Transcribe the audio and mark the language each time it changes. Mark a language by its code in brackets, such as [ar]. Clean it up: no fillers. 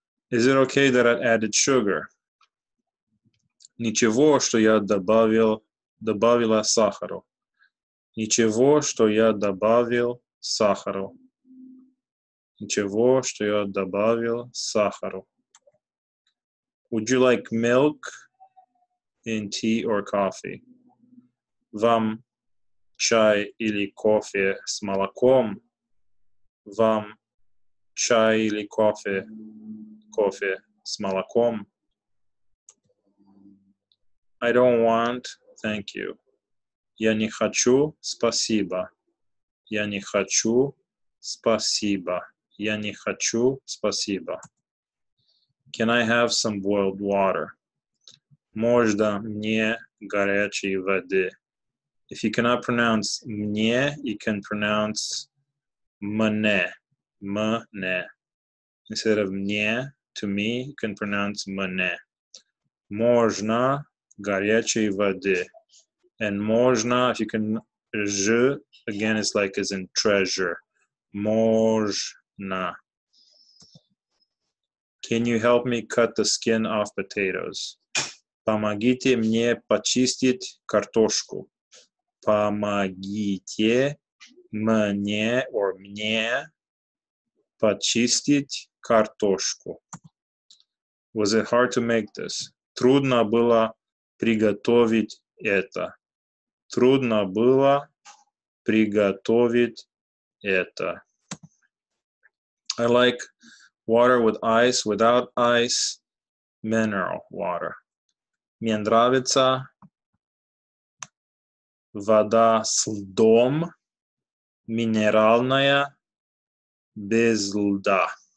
[en] Is it okay that I added sugar? [ru] Ничего, что я добавила сахару. Ничего, что я добавил сахару. Ничего, что я добавил сахару. [en] Would you like milk in tea or coffee? [ru] Вам чай или кофе с молоком? Вам чай или кофе с молоком? [en] I don't want, thank you. Я не хочу, спасибо. [ru] Я не хочу, спасибо. Я не хочу, спасибо. [en] Can I have some boiled water? Можно мне горячей воды? If you cannot pronounce мне, you can pronounce мне, мне. Instead of мне, to me, you can pronounce мне. [ru] Можно горячей воды. [en] And можно, if you can, je, again, it's like as in treasure. [ru] Можно. [en] Can you help me cut the skin off potatoes? [ru] Помогите мне почистить картошку. Помогите мне, or мне, почистить картошку. [en] Was it hard to make this? [ru] Трудно было приготовить это. Трудно было приготовить это. [en] I like water with ice, without ice, mineral water. [ru] Мне нравится вода с льдом, минеральная, без льда.